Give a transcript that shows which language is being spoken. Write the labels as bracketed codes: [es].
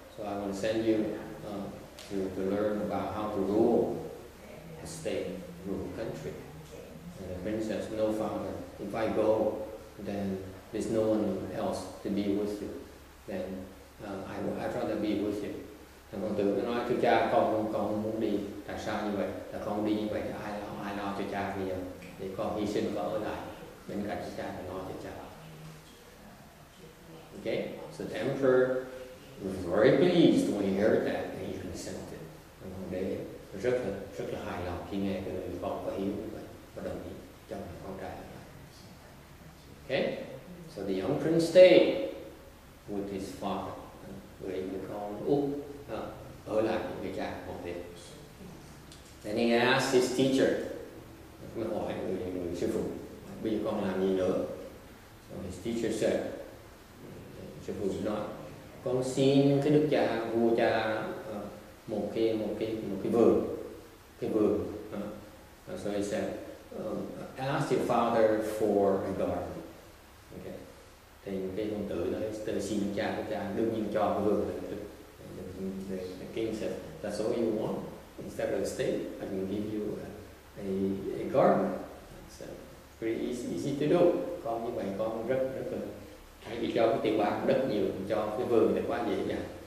[en] So I want to send you to learn about how to rule a state, rule a country. And the prince says, no father, if I go, then there's no one else to be with you. Then I'd rather be with you. [vi] Thầy con tử mới nói, thưa cha, con không muốn đi. Tại sao như vậy? Là con đi như vậy thì ai lo cho cha bây giờ? Để con hy sinh con ở lại bên cạnh cha để lo cho cha. [en] Okay, so the emperor was very pleased when he heard that and he consented. [vi] Thầy con đế rất là hài lòng khi nghe cái người con có hiếu như vậy và đồng ý cho con trai. [en] Okay, so the young prince stayed with his father. [vi] Người con út ở lại với người cha một đêm. [en] Then he asked his teacher, [vi] mới hỏi người sư phụ, bây giờ con làm gì nữa? [en] So his teacher said, [vi] sư phụ nói, con xin cái đức cha vua cha một cái vườn. [en] So he said, ask your father for a garden. Okay. [vi] Thì cái con tử đó, tự xin cha đương nhiên cho cái vườn. [en] The king said, that's all you want. Instead of a state, I can give you a garden. So pretty easy to do. [vi] Con như vậy con rất là thay vì cho cái tiền bạc rất nhiều cho cái vườn thì quá dễ dàng.